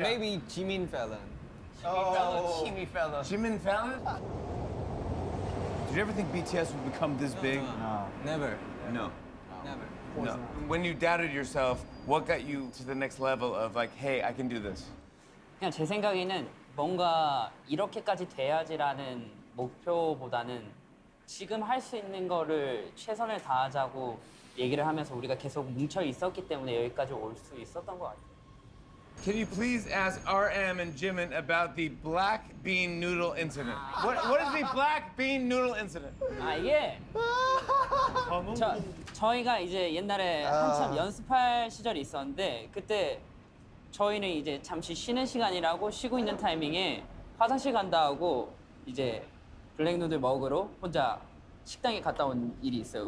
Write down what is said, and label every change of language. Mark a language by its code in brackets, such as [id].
[en] Maybe Jimin Fallon. Jimin Fallon? Did you ever think BTS would become this big? No. Never. No. Never. No. When you doubted yourself, what got you to the next level of like, hey, I can do this? [ko] 그냥 제 생각에는 뭔가 이렇게까지 돼야지라는 목표보다는 지금 할 수 있는 거를 최선을 다하자고 얘기를 하면서 우리가 계속 뭉쳐 있었기 때문에 여기까지 올 수 있었던 것 같아요. [en] Can you please ask RM and Jimin about the black bean noodle incident? What is the black bean noodle incident? [ko] 아 이게 저희가 이제 옛날에 한참 연습할 시절이 있었는데 그때 저희는 이제 잠시 쉬는 시간이라고 쉬고 있는 타이밍에 화장실 간다 하고 이제 블랙 누들 먹으러 혼자 식당에 갔다 온 일이 있어요.